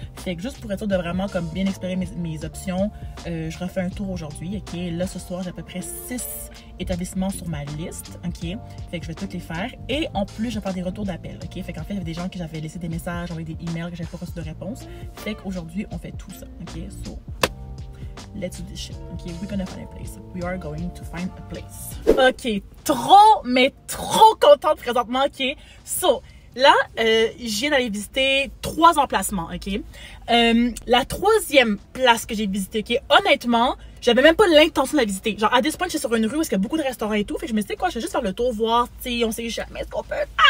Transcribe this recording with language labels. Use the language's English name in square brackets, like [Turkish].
[French] Fait que juste pour être sûr de vraiment comme bien explorer mes options, je refais un tour aujourd'hui, OK? Là, ce soir, j'ai à peu près 6 établissements sur ma liste, OK? Fait que je vais toutes les faire. Et en plus, je vais faire des retours d'appel, OK? Fait qu'en fait, il y avait des gens que j'avais laissé des messages, envoyé des emails, que j'avais pas reçu de réponse. Fait qu'aujourd'hui, on fait tout ça, OK? So, [English] let's do this shit. Okay, we're gonna find a place. We are going to find a place. [French] Okay, trop, mais trop contente présentement. Okay, so là, je viens d'aller visiter 3 emplacements. Okay, la 3e place que j'ai visitée, okay, honnêtement, j'avais même pas l'intention de la visiter. Genre, à [English] this point, [French] je suis sur une rue où il y a beaucoup de restaurants et tout. Fait que je me disais, quoi, je vais juste faire le tour, voir, tu sais, on sait jamais ce qu'on peut faire.